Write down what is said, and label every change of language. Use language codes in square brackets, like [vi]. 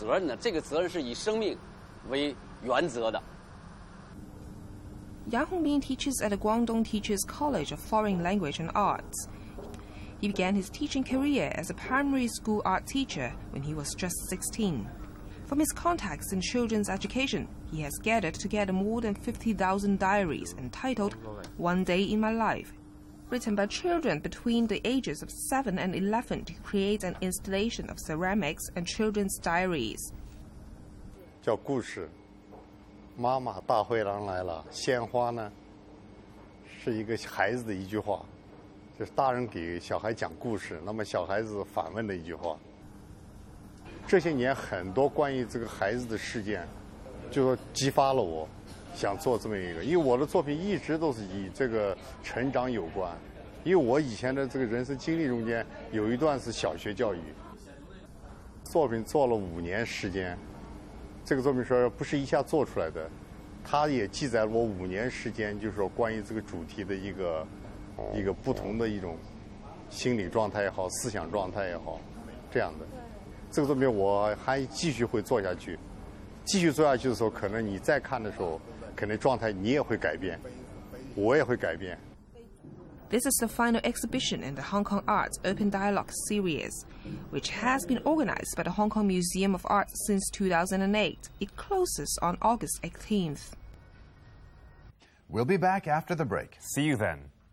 [zh] 在我的表达里头有一种象征性，因为我们知道摁压指印的这个过程，实际上它是一个契约画押的一个行为方式，它是一个文化的概念。那么这个契约画押在某种程度上，它是一种信誉，是一种承诺。那么这种承诺是应该你要负责任的，这个责任是以生命为原则的。 [en] Yang Hongbin teaches at the Guangdong Teachers College of Foreign Language and Arts. He began his teaching career as a primary school art teacher when he was just 16. From his contacts in children's education, he has gathered together more than 50,000 diaries entitled One Day in My Life, written by children between the ages of 7 and 11 to create an installation of ceramics and children's diaries. [zh] 叫故事，妈妈大灰狼来了，鲜花呢，是一个孩子的一句话。就是大人给小孩讲故事，那么小孩子反问的一句话。这些年很多关于这个孩子的事件，就说激发了我。想做这么一个，因为我的作品一直都是以这个成长有关，因为我以前的这个人生经历中间有一段是小学教育，作品做了五年时间，这个作品说不是一下做出来的，它也记载了我五年时间，就是说关于这个主题的一个不同的一种心理状态也好，思想状态也好，这样的。这个作品我还继续会做下去，继续做下去的时候，可能你再看的时候，可能状态你也会改变，我也会改变。 [en] This is the final exhibition in the Hong Kong Arts Open Dialogue series, which has been organized by the Hong Kong Museum of Art since 2008. It closes on August 18th. We'll be back after the break. See you then.